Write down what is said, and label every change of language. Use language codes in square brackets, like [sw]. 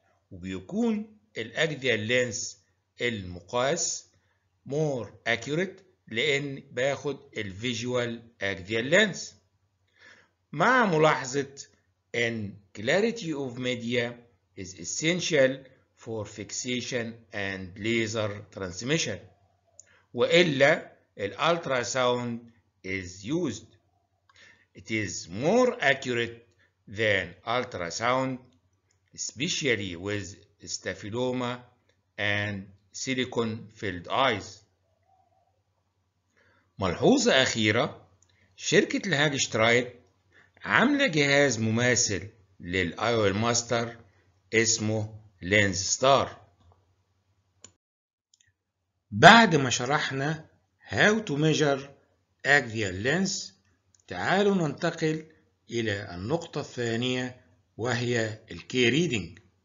[ar] وبيكون الأكسيال لينس المقاس [en] more accurate [ar] لأن باخد الفيجوال أكسيال لينس، مع ملاحظة أن [en] clarity of media is essential for fixation and laser transmission، [ar] وإلا الألتراساوند [en] is used. It is more accurate than ultrasound, especially with staphyloma and silicon-filled eyes. [ar] ملحوظة أخيرة، شركة الهاجشترايت عاملة جهاز مماثل للأيول ماستر اسمه لينز ستار. بعد ما شرحنا [en] how to measure axial lens، [ar] تعالوا ننتقل إلى النقطة الثانية وهي الـ key reading.